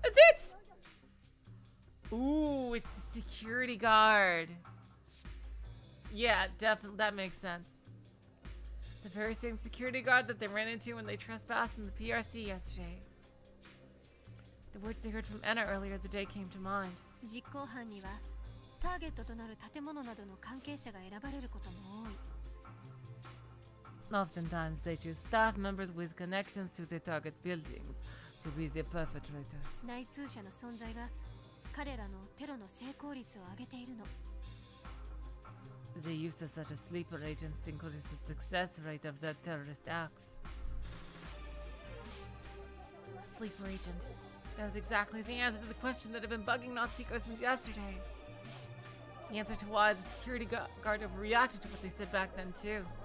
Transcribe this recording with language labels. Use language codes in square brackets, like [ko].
[en] It's... Ooh, it's the security guard. Yeah, definitely, that makes sense. The very same security guard that they ran into when they trespassed from the PRC yesterday. The words they heard from Anna earlier the day came to mind. [ja] 実行犯にはターゲットとなる建物などの関係者が選ばれることも多い。 [en] Oftentimes they choose staff members with connections to the target buildings to be the perpetrators. [ja] 内通者の存在が彼らのテロの成功率を上げているの。 [en] They use such a sleeper agent to increase the success rate of their terrorist acts. A sleeper agent. That was exactly the answer to the question that had been bugging Natsuhiko since yesterday. The answer to why the security guard overreacted to what they said back then, too.